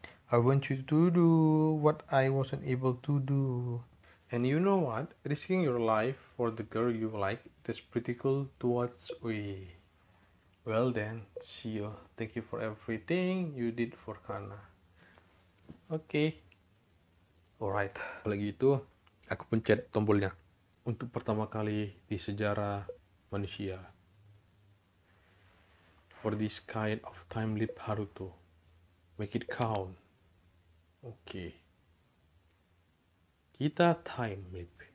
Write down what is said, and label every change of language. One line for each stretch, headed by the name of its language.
English: I want you to do what I wasn't able to do. And you know what? Risking your life for the girl you like, that's pretty cool to watch. Well then, see you. Thank you for everything you did for Kana. Oke, okay. Alright.
Indonesian: Lagi itu, aku pencet tombolnya untuk pertama kali di sejarah manusia.
English: For this kind of time leap, Haruto, make it count. Oke, okay.
Indonesian: Kita time leap.